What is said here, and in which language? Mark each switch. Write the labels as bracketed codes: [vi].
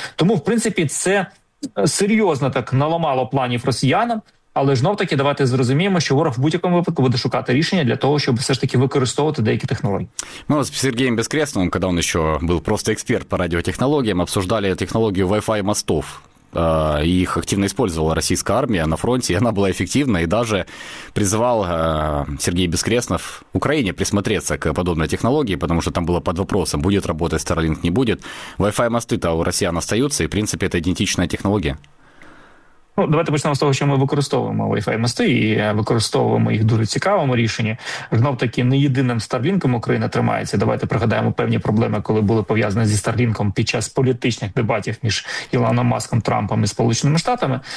[uk] Тому, в принципі, це серйозно так наламало планів росіянам, але знов-таки давайте зрозуміємо, що ворог в будь-якому випадку буде шукати рішення для того, щоб все ж таки використовувати деякі технології. Ми з Сергієм Безкресновим, коли він ще був просто експерт по радіотехнологіям, обсуждали технологію Wi-Fi мостів. [ru] Их активно использовала российская армия на фронте, и она была эффективна, и даже призывал Сергей Бескреснов Украине присмотреться к подобной технологии, потому что там было под вопросом, будет работать Starlink, не будет. Wi-Fi мосты-то у россиян остаются, и, в принципе, это идентичная технология. [uk] Ну, давайте почнемо з того, що ми використовуємо Wi-Fi мости і використовуємо їх в дуже цікавому рішенні. Знов таки, не єдиним Starlink-ом Україна тримається. Давайте пригадаємо певні проблеми, коли були пов'язані зі Starlink-ом під час політичних дебатів між Ілоном Маском, Трампом і Сполученими Штатами.